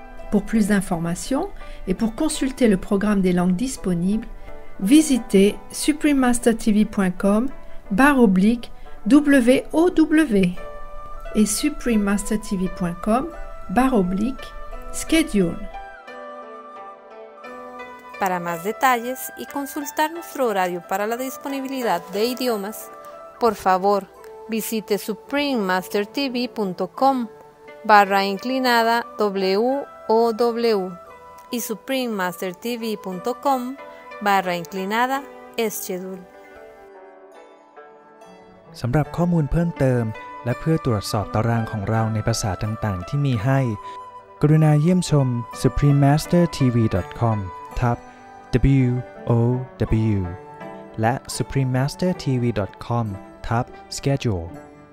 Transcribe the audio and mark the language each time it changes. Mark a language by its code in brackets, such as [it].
[fr] Pour plus d'informations et pour consulter le programme des langues disponibles, visitez suprememastertv.com/WOW et suprememastertv.com/schedule. [es] Para más detalles y consultar nuestro horario para la disponibilidad de idiomas, por favor, visite suprememastertv.com/WOW y suprememastertv.com/schedule. [th] สำหรับข้อมูลเพิ่มเติมและเพื่อตรวจสอบตารางของเราในภาษาต่างๆที่มีให้กรุณาเยี่ยมชม suprememastertv.com /WOW และ suprememastertv.com/schedule